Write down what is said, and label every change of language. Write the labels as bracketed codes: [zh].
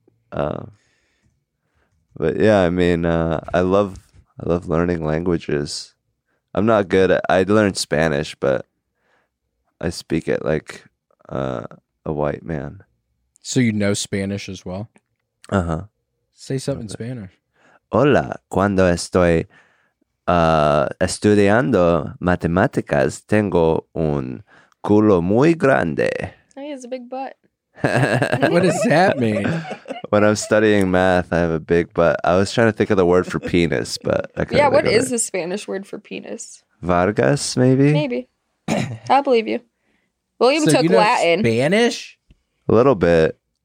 [en] But yeah, I mean, I love learning languages. I'm not good at, I learned Spanish, but I speak it like a white man. So you know Spanish as well? Uh-huh. Say something in Spanish. [es] Hola, cuando estoy estudiando matemáticas, tengo un culo muy grande. [en] Hey, it's a big butt. What does that mean? When I'm studying math, I have a big butt. I was trying to think of the word for penis, but I couldn't. Yeah, what is the Spanish word for penis? Vargas, maybe? Maybe. I believe you. William so took you know Latin. Spanish? A little bit.